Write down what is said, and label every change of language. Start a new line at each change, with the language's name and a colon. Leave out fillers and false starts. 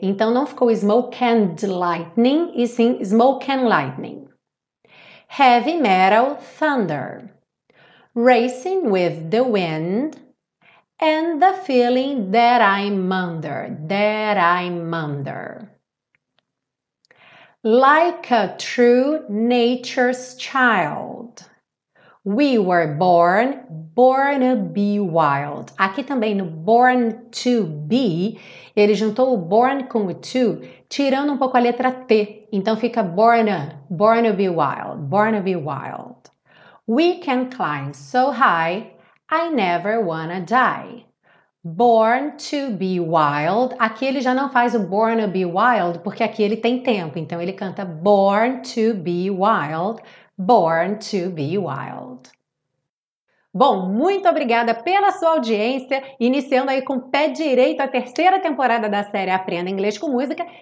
Portuguese: Então não ficou
English: smoke and lightning
Portuguese: e sim smoke and lightning.
English: Heavy metal thunder. Racing with the wind and the feeling that I'm under, that I'm under. Like a true nature's child. We were born, born to be wild.
Portuguese: Aqui também no
English: born to be,
Portuguese: ele juntou o born com o to, tirando um pouco a letra T. Então fica
English: born, born to be wild, born to be wild. We can climb so high, I never wanna die. Born to be wild.
Portuguese: Aqui ele já não faz o
English: born to be wild,
Portuguese: porque aqui ele tem tempo. Então ele canta
English: born to be wild. Born to be wild.
Portuguese: Bom, muito obrigada pela sua audiência, iniciando aí com pé direito a terceira temporada da série Aprenda Inglês com Música.